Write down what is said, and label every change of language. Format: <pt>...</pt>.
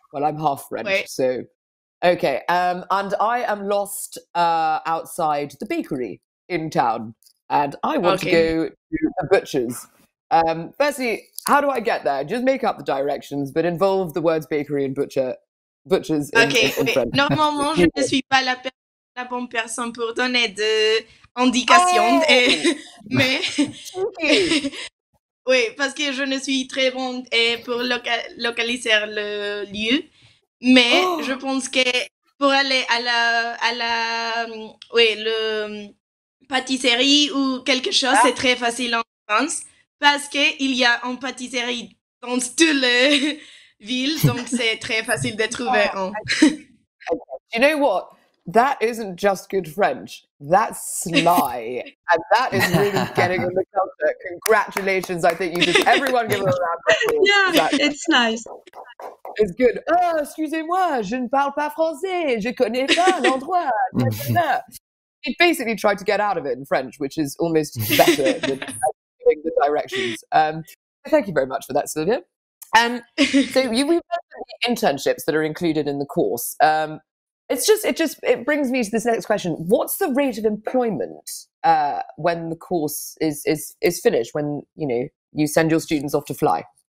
<en>Well, I'm half French, so okay. And I am lost outside the bakery in town, and I want to go to a butcher's. Firstly, how do I get there? Just make up the directions, but involve the words bakery and butchers. Okay. In French.</en> <fr>Normalement, je ne suis pas la bonne personne pour donner de indication, mais. Oui, parce que je ne suis très bonne pour localiser le lieu, mais je pense que pour aller à la pâtisserie ou quelque chose, c'est très facile en France, parce qu'il y a une pâtisserie dans toutes les villes, donc c'est très facile de trouver.</fr> <en>You know what? That isn't just good French. That's sly. And that is really getting in the culture. Congratulations. I think you just, everyone give them a round of applause. Yeah, exactly. It's nice. It's good.</en> <fr>Oh, excusez-moi, je ne parle pas français. Je connais pas l'endroit.</fr> <en>He basically tried to get out of it in French, which is almost better than giving the directions. Thank you very much for that, Sylvia. So you've mentioned the internships that are included in the course. It brings me to this next question. What's the rate of employment when the course is finished, when, you know, you send your students off to fly?</en>